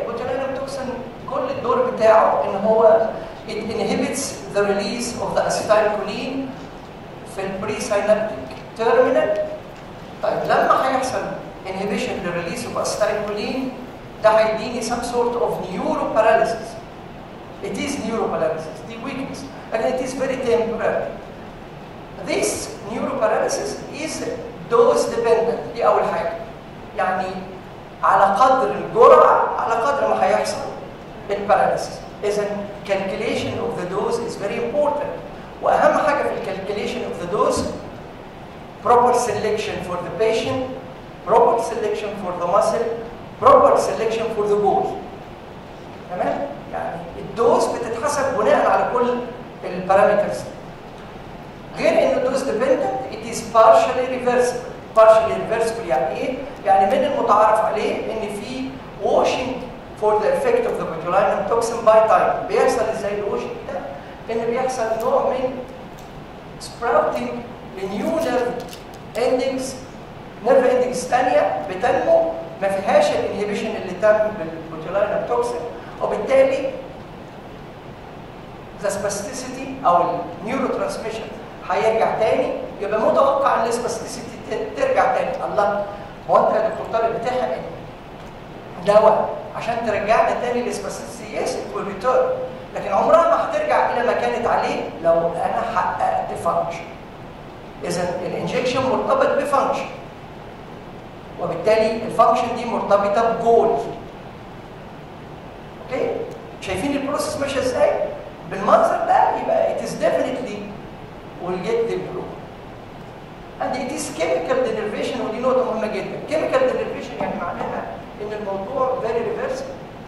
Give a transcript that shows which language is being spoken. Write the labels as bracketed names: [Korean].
[Arabic] البوتولانم توكسين كل الدور بتاعه ان هو [English] it inhibits the release of the acetylcholine [Arabic] في البريسينابتيك تيرمينال. طيب لما هيحصل [English] inhibition the release of acetylcholine [Arabic] ده هيديني [English] some sort of neuroparalysis. It is neuroparalysis, the weakness, and it is very temporary. This neuroparalysis is dose dependent. [Arabic] دي أول حاجة، يعني على قدر الجرعة على قدر ما هيحصل الباراليسيس. [English] إذا calculation of the dose is very important. وأهم حاجة في calculation of the dose proper selection for the patient, proper selection for the muscle, proper selection for the goal. [Arabic] تمام؟ يعني الدوز بتتحسب بناء على كل الباراميترز. غير إن الدوز dependent [English] it is partially reversible. [Arabic] partially reversible يعني ايه؟ يعني من المتعارف عليه ان في [English] washing for the effect of the botulinum toxin by time. [Arabic] بيحصل ازاي الwashing ده؟ ان بيحصل نوع من sprouting لنيو نيرف اندنجز، نيرف اندنجز ثانيه بتنمو ما فيهاش الانهبيشن اللي تم بالبوتولينم توكسين، وبالتالي the spasticity او النيورو ترانسميشن هيرجع تاني. يبقى متوقع ان السباستيسيتي ترجع تاني. الله، هو انت يا دكتور طارق بتحقن دواء عشان ترجعنا تاني للسباستيسيتي؟ [English] yes it will return, [Arabic] لكن عمرها ما هترجع الى ما كانت عليه لو انا حققت فانكشن. اذا الانجكشن مرتبط بفانكشن، وبالتالي الفانكشن دي مرتبطه بجول. اوكي، شايفين البروسيس ماشيه ازاي؟ بالمنظر ده يبقى [English] It is definitely will get the blue. And it is chemical denervation، [Arabic] ودي نقطة مهمة جدا. chemical denervation يعني معناها إن الموضوع [English] very reversible.